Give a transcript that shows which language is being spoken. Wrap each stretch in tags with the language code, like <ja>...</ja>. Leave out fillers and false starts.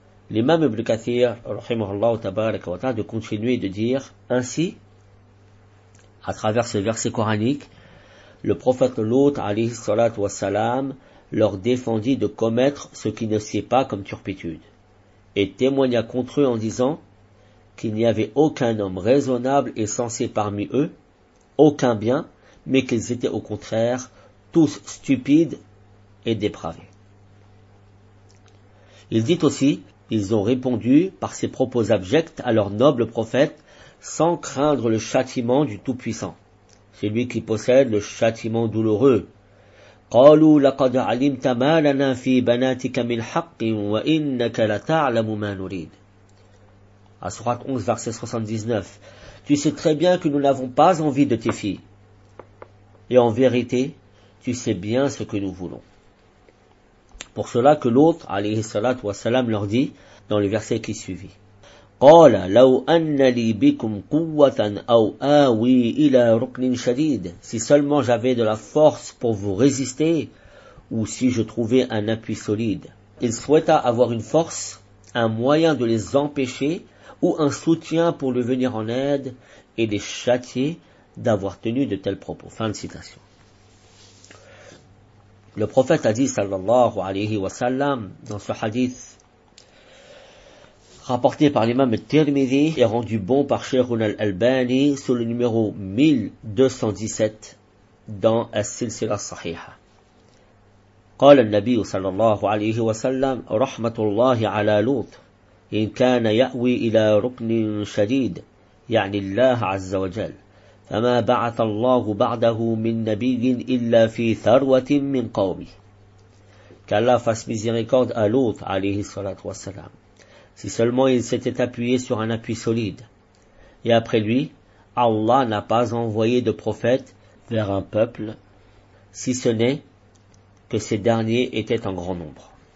<fr>L'imam Ibn Kathir, rahimahullah tabarak wa ta'ala, de continuer de dire ainsi, à travers ce verset coranique, le prophète Lot, alayhi salat wa salam, leur défendit de commettre ce qui ne sied pas comme turpitude, et témoigna contre eux en disant qu'il n'y avait aucun homme raisonnable et sensé parmi eux, aucun bien, mais qu'ils étaient au contraire tous stupides et dépravés. Il dit aussi, ils ont répondu par ces propos abjects à leur noble prophète sans craindre le châtiment du Tout-Puissant, celui qui possède le châtiment douloureux.</fr> <ar>قالوا لقد علمت ما لنا في بناتك من حق وإنك لتعلم ما نريد.</ar> <fr>À Sourate 11, verset 79. Tu sais très bien que nous n'avons pas envie de tes filles. Et en vérité, tu sais bien ce que nous voulons. Pour cela que l'autre, alayhi salatu wa salam, leur dit dans le verset qui suivit.</fr> <ar>قال لو أن لي بكم قوة أو آوي إلى ركن شديد.</ar> <fr>Si seulement j'avais de la force pour vous résister, ou si je trouvais un appui solide. Il souhaita avoir une force, un moyen de les empêcher, ou un soutien pour lui venir en aide et les châtier d'avoir tenu de tels propos. Fin de citation. Le prophète a dit sallallahu alayhi wa sallam dans ce hadith rapporté par l'imam Tirmidhi et rendu bon par Cheikhoun al-Albani sous le numéro 1217 dans As-Silsila Sahiha.</fr> <ar>قال النبي صلى الله عليه وسلم رحمة الله على لوط إن كان يأوي إلى ركن شديد يعني الله عز وجل فما بعث الله بعده من نبي إلا في ثروة من قومه.</ar> <fr>Qu'Allah fasse miséricorde à Lot</fr> <ar>عليه الصلاة والسلام.</ar> <fr>Si seulement il s'était appuyé sur un appui solide. Et après lui, Allah n'a pas envoyé de prophète vers un peuple, si ce n'est que ces derniers étaient en grand nombre.</fr>